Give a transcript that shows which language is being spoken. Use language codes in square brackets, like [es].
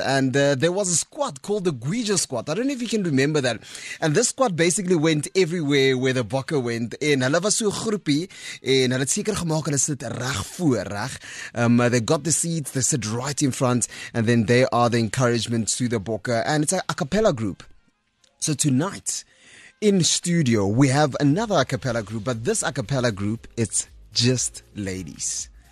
[en] And there was a squad called the Guija squad. I don't know if you can remember that. And this squad basically went everywhere where the Bokke went. [af] En hulle was so 'n groepie en hulle het seker gemaak hulle sit reg voor, reg. [en] They got the seats, they sit right in front, and then they are the encouragement to the Bokke. And it's a cappella group. So tonight in studio, we have another a cappella group, but this a cappella group, it's just ladies.